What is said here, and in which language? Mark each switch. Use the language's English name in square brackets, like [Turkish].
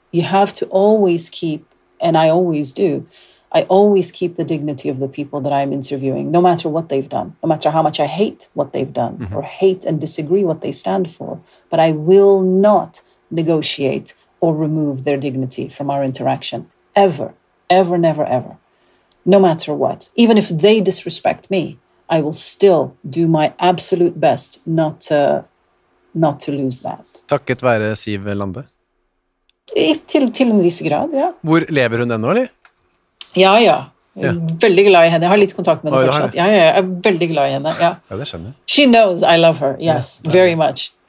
[English] You have to always keep, and I always do, I always keep the dignity of the people that I'm interviewing, no matter what they've done, no matter how much I hate what they've done or hate and disagree what they stand for, but I will not negotiate or remove their dignity from our interaction ever, ever, never, ever, no matter what. Even if they disrespect me, I will still do my absolute best not to lose that. [Norwegian] Takket være Siv Lande? Til en viss grad, ja. Hvor lever hun den nå, eller? Ja. Veldig glad I henne. Jeg har litt kontakt med henne fortsatt. Ja, jeg veldig glad I henne, ja. Ja, det skjønner jeg. [English] She knows I love her, yes, ja, very much.